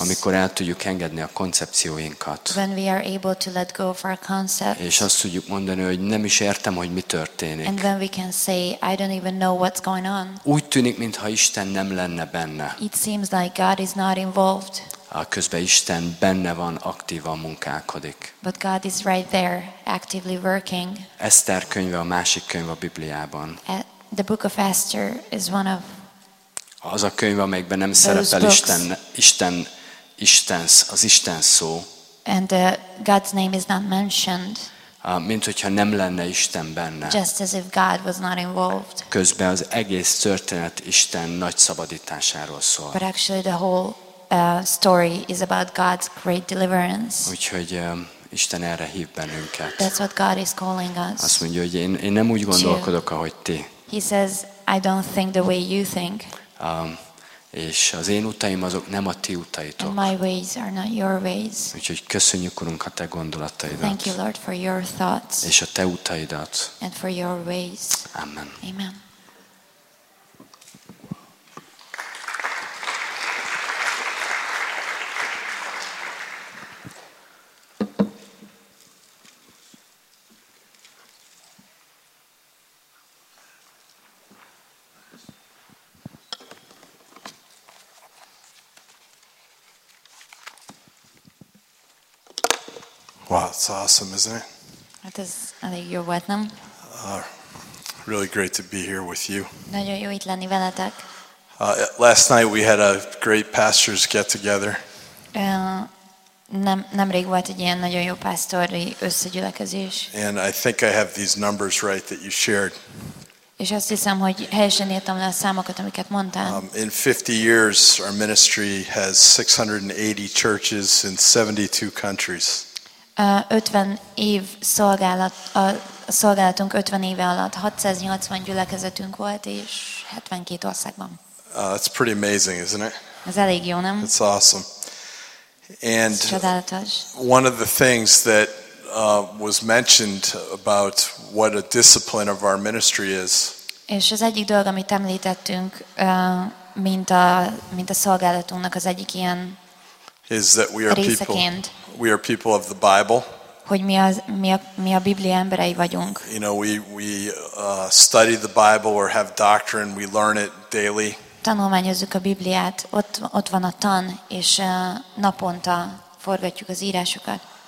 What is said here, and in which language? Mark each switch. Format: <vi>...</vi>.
<hu>Amikor el tudjuk engedni a koncepcióinkat.</hu> <en>When we are able to let go of our concepts.</en> <hu>És azt tudjuk mondani, hogy nem is értem, hogy mi történik.</hu> <en>And then we can say, I don't even know what's going on.</en> <hu>Úgy tűnik, mintha Isten nem lenne benne.</hu> <en>It seems like God is not involved.</en> <hu>A közben Isten benne van, aktívan munkálkodik.</hu> <en>But God is right there, actively working.</en> <hu>Eszter könyve a másik könyv a Bibliában.</hu> <en>The book of Esther is one of</en> <hu>az a könyv, amelyikben nem szerepel Isten, az Isten szó.</hu> <en>And God's name is not mentioned.</en> <hu>Mint hogyha nem lenne Isten benne.</hu> <en>Just as if God was not involved.</en> <hu>Közben az egész történet Isten nagy szabadításáról szól.</hu> <en>But actually the whole story is about God's great deliverance.</en> <hu>Úgyhogy Isten erre hív bennünket.</hu> <en>That's what God is calling us.</en> <hu>Azt mondja, hogy én nem úgy gondolkodok, ahogy ti.</hu> <en>He says, I don't think the way you think.</en> <hu>És az én utaim azok nem a ti utaitok.</hu> <en>My ways are not your ways.</en> <hu>Úgyhogy köszönjük, Urunk, a te gondolataidat.</hu> <en>Thank you, Lord, for your thoughts.</en> <hu>És a te utaidat.</hu> <en>And for your ways.</en> <hu>Amen.</hu> <en>Amen. Wow, it's awesome, isn't it? That is, I think you're welcome. Really great to be here with you.</en> <hu>Nagyon jó itt lenni veletek.</hu> <en>Last night we had a great pastors get together.</en> <hu>Nemrég volt egy ilyen nagyon jó pásztori összegyűlökezés.</hu> <en>And I think I have these numbers right that you shared.</en> <hu>És azt hiszem, hogy helyesen írtam le a számokat, amiket mondtál.</hu> <en>In 50 years, our ministry has 680 churches in 72 countries.</en> <hu>50 év szolgálat, a szolgálatunk 50 éve alatt 680 gyülekezetünk volt és 72 országban.</hu> <en>That's pretty amazing, isn't it?</en> <hu>Ez elég jó, nem?</hu> <en>It's awesome. And</en> <hu>csodálatos.</hu> <en>One of the things that was mentioned about what a discipline of our ministry is.</en> <hu>És az egyik dolog, amit említettünk, mint a szolgálatunknak az egyik ilyen</hu> <en>is that we are people of the Bible.</en> <hu>Hogy mi a Biblia emberei vagyunk.</hu> <en>You know, we study the Bible or have doctrine, we learn it daily.</en> <hu>Tanulmányozzuk a Bibliát, ott van a tan, és naponta forgatjuk az írásokat.</hu>